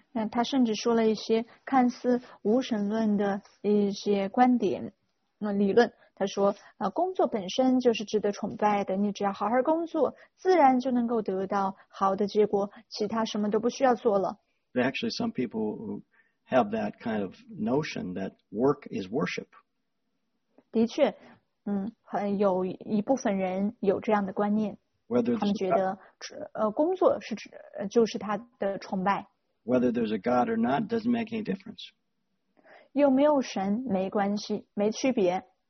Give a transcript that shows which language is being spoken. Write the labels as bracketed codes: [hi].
[zh] 他甚至说了一些看似无神论的一些观点、理论。他说工作本身就是值得崇拜的，你只要好好工作，自然就能够得到好的结果，其他什么都不需要做了。 [en] Actually, some people have that kind of notion that work is worship. [zh] 的确，有一部分人有这样的观念，他们觉得工作就是他的崇拜。 [en] Whether there's a God or not doesn't make any difference. [zh] 有没有神没关系，没区别。